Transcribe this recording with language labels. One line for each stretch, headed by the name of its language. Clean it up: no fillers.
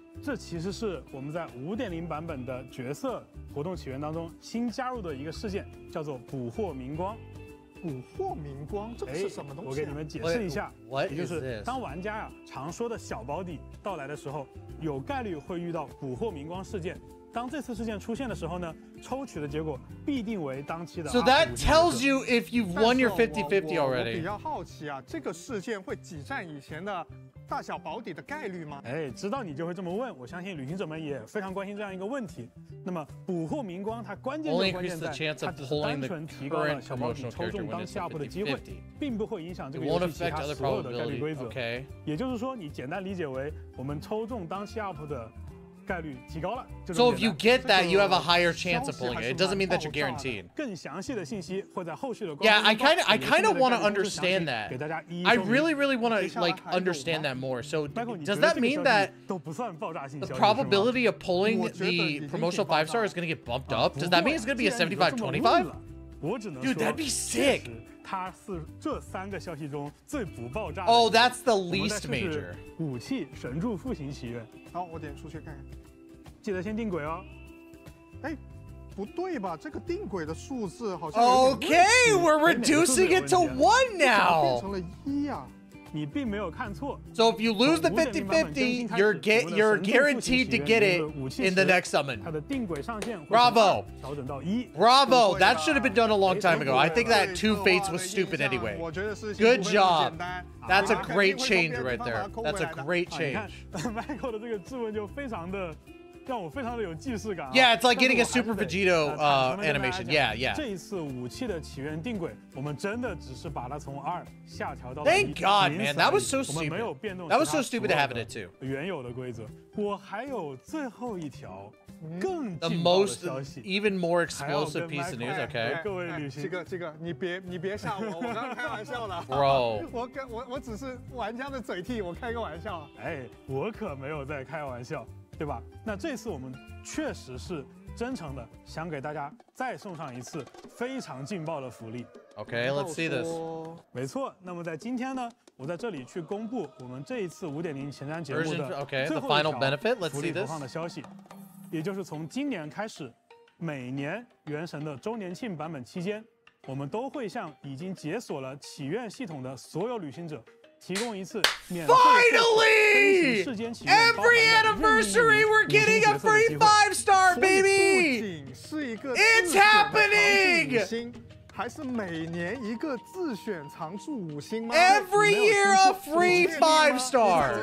Chinese: 这其实是我们在 5.0 版本的角色活动起源当中新加入的一个事件，叫做捕获明光。捕获明光，这个是什么东西、啊？我给你们解释一下。
English: What?
Chinese: 也就是当玩家呀、啊、常说的小保底到来的时候，有概率会遇到捕获明光事件。当这次事件出现的时候呢，抽取的结果必定为当期的。
English: So that tells you if you've won your 50-50 already.
Chinese: 我比较好奇啊，这个事件会挤占以前的大小保底的概率吗？哎，知道你就会这么问，我相信旅行者们也非常关心这样一个问题。那么捕获明光，它关键就关键在它只是单纯提高了小保底抽中当期 up 的机会，并不会影响这个游戏其他所有的概率规则。
English: Okay.
Chinese: 也就是说，你简单理解为我们抽中当期 up 的。概率提高了。
English: So if you get that, you have a higher chance of pulling it. It doesn't mean that you're guaranteed.
Chinese: 更详细的信息会在后续的。
English: Yeah, I kind of want to understand that. I really want to like understand that more. So does that mean that the probability of pulling the promotional 5-star is going to get bumped up? Does that mean it's going to be a 75-25? Dude, that'd be sick.
Chinese: 它是这三个消息中最不爆炸。
English: Oh, that's the least major.
Chinese: 武器神柱复行祈愿。好，我点出去看看，记得先定轨哦。哎，不对吧？这个定轨的数字好像有点问题。
English: OK, we're reducing it to one now.
Chinese: 变成了一呀、啊。你并没有看错。
English: So if you lose the 50-50, you're guaranteed to get it in the next summon.
Chinese: 它的定轨上限。
English: Bravo.
Chinese: 调整到一。
English: Bravo. That should have been done a long time ago. I think that two fates was stupid anyway. Good job. That's a great change right there. That's a great change.
Chinese: Michael 的这个质问就非常的让我非常的有既视感。
English: Yeah, it's like getting a Super Vegito animation. Yeah, yeah.
Chinese: 这一次武器的起源定轨，我们真的只是把它从二下调到。
English: Thank God, man. That was so stupid. That was so stupid to have it too.
Chinese: 原有的规则。我还有最后一条。
English: The most, even more explosive piece of news, okay?
Chinese: 各位旅行，这个，你别吓我，我刚开玩笑的。 Bro, 我只是玩家的嘴替，我开个玩笑。哎，我可没有在开玩笑，对吧？那这次我们确实是真诚的，想给大家再送上一次非常劲爆的福利。
English: Okay, let's see this.
Chinese: 没错，那么在今天呢，我在这里去公布我们这一次 5.0 前瞻节目的最后一条
English: okay, the final benefit. Let's see this.
Chinese: 福利投放的消息。也就是从今年开始，每年原神的周年庆版本期间，我们都会向已经解锁了祈愿系统的所有旅行者
English: Finally! Every anniversary, we're getting a free five-star, baby! It's happening! Every year a free five star.